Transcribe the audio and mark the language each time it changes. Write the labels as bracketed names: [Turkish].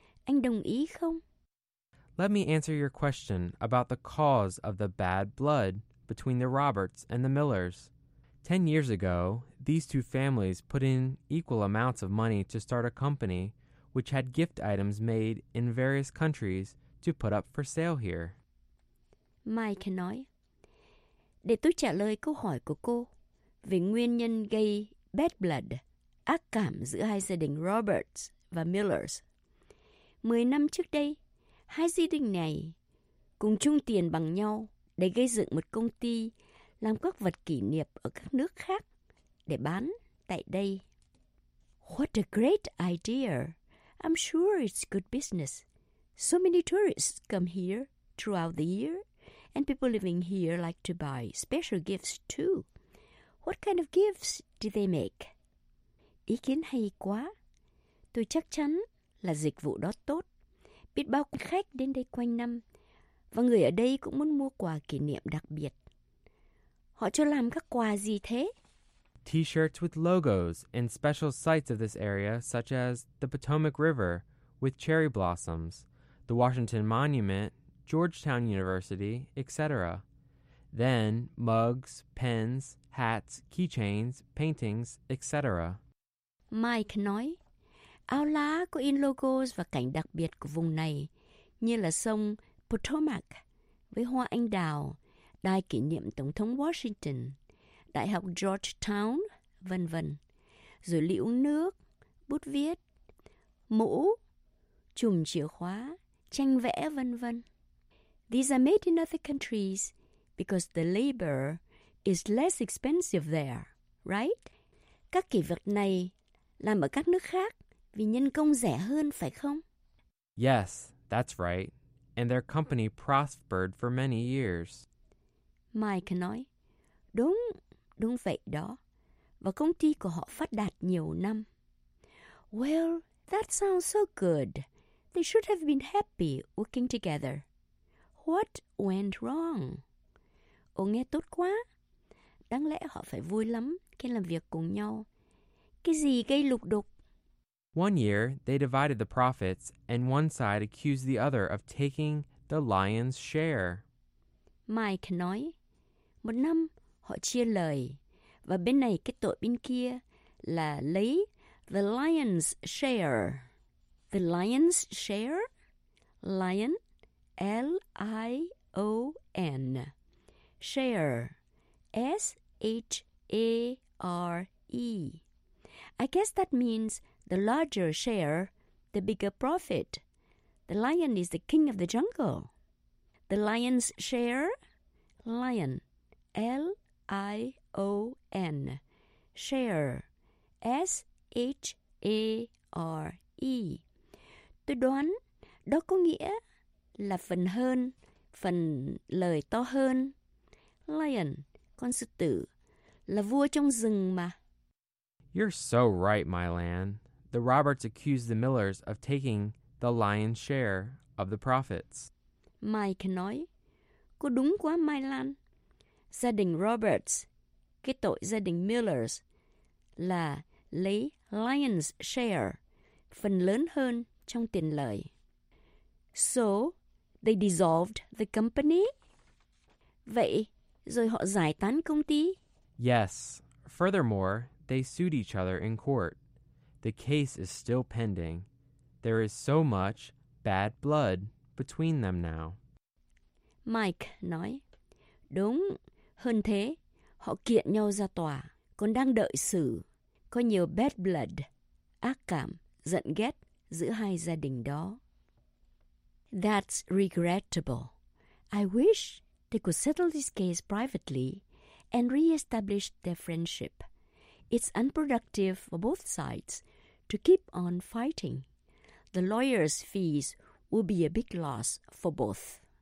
[Vietnamese] Anh đồng ý không? [English] Let me answer your question about the cause of the bad blood between the Roberts and the Millers. 10 years ago, these two families put in equal amounts of money to start a company which had gift items made in various countries to put up for sale here. [Vietnamese] Mike nói, để tôi trả lời câu hỏi của cô về nguyên nhân gây [English] bad blood, [Vietnamese] ác cảm giữa hai gia đình Roberts và Millers. 10 năm trước đây, hai gia đình này cùng chung tiền bằng nhau để gây dựng một công ty làm các vật kỷ niệm ở các nước khác để bán tại đây. [English] What a great idea! I'm sure it's good business. So many tourists come here throughout the year, and people living here like to buy special gifts too. What kind of gifts do they make? [Vietnamese] Ý kiến hay quá. Tôi chắc chắn là dịch vụ đó tốt. Biết bao khách đến đây quanh năm, và người ở đây cũng muốn mua quà kỷ niệm đặc biệt. Họ cho làm các quà gì thế? [English] T-shirts with logos and special sites of this area, such as the Potomac River with cherry blossoms, the Washington Monument, Georgetown University, etc. Then mugs, pens, hats, keychains, paintings, etc. [Vietnamese] Mike nói, áo lá có in logos và cảnh đặc biệt của vùng này, như là sông Potomac với hoa anh đào, đài kỷ niệm Tổng thống Washington, Đại học Georgetown, vân vân. Rồi lũ nước, bút viết, mũ, chùm chìa khóa, tranh vẽ vân vân. [English] These are made in other countries because the labor is less expensive there, right? [Vietnamese] Các kỹ vật này làm ở các nước khác vì nhân công rẻ hơn, phải không? [English] Yes, that's right. And their company prospered for many years. [Vietnamese] Mike nói, đúng, đúng vậy đó. Và công ty của họ phát đạt nhiều năm. [English] Well, that sounds so good. They should have been happy working together. What went wrong? [Vietnamese] Ồ, nghe tốt quá. Đáng lẽ họ phải vui lắm khi làm việc cùng nhau. Cái gì gây lục đục? [English] One year, they divided the profits, and one side accused the other of taking the lion's share. [Vietnamese] Mike nói, một năm họ chia lời, và bên này cái tội bên kia là lấy [English] the lion's share. The lion's share? Lion, L-I-O-N. Share, S-H-A-R-E. I guess that means the larger share, the bigger profit. The lion is the king of the jungle. The lion's share? Lion, L-I-O-N. Share, S-H-A-R-E. [Vietnamese] Tôi đoán đó có nghĩa là phần hơn, phần lời to hơn. Lion, con sư tử, là vua trong rừng mà. [English] You're so right, Mylan. The Roberts accused the Millers of taking the lion's share of the profits. [Vietnamese] Mike nói, cô đúng quá, Mylan. Gia đình Roberts, cái tội gia đình Millers, là lấy [English] lion's share, [Vietnamese] phần lớn hơn trong tiền lời. [English] So, they dissolved the company? [Vietnamese] Vậy, rồi họ giải tán công ty? [English] Yes. Furthermore, they sued each other in court. The case is still pending. There is so much bad blood between them now. [Vietnamese] Mike nói, đúng, hơn thế, họ kiện nhau ra tòa, còn đang đợi xử. Có nhiều [English] bad blood, [Vietnamese] ác cảm, giận ghét giữa hai gia đình đó. [English] That's regrettable. I wish they could settle this case privately and re-establish their friendship. It's unproductive for both sides to keep on fighting. The lawyer's fees will be a big loss for both.